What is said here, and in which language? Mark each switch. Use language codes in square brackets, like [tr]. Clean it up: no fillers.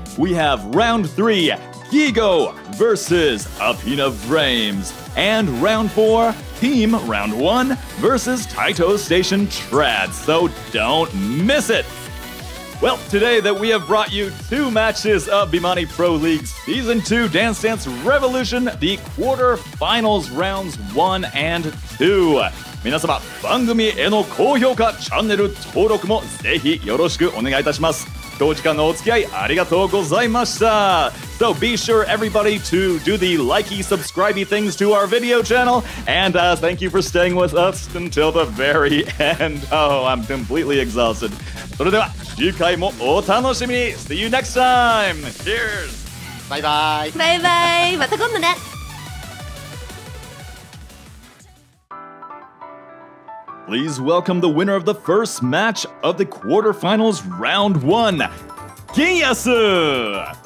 [en] We have round 3Gigo versus Athena Frames and round 4 Team round 1 versus Taito Station Trad. So don't miss it. Well, today that we have brought you two matches of Bimani Pro League Season 2 Dance Dance Revolution, the quarter finals rounds 1 and 2. [ja] 皆様、番組への高評価、チャンネル登録もぜひよろしくお願いいたします。長時間のお付き合いありがとうございました。 [en] So be sure everybody to do the likey subscribey things to our video channel and thank you for staying with us until the very end. Oh, I'm completely exhausted. [ja] それでは次回もお楽しみに。 [en] See you next time. Cheers. Bye bye. Bye bye. [ja] また今度ね。 [en] Please welcome the winner of the first match of the quarterfinals round 1, Ginyasu!